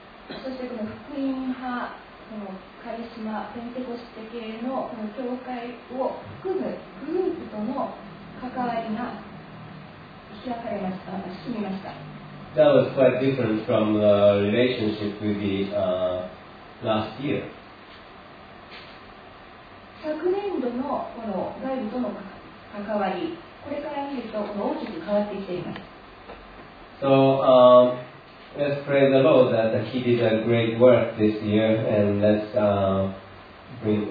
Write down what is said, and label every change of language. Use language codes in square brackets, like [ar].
[ja] そして、この福音派、このカリスマ、ペンテコステ系のこの教会を含むグループとの関わりが開かれました、進みました。 [en] That was quite different from the relationship with the last year. [ja] 昨年度のこの外部との関わり、これから見るとこの大きく変わってきています。 [en] So, Let's pray the Lord that He did a great work this year, and let's bring.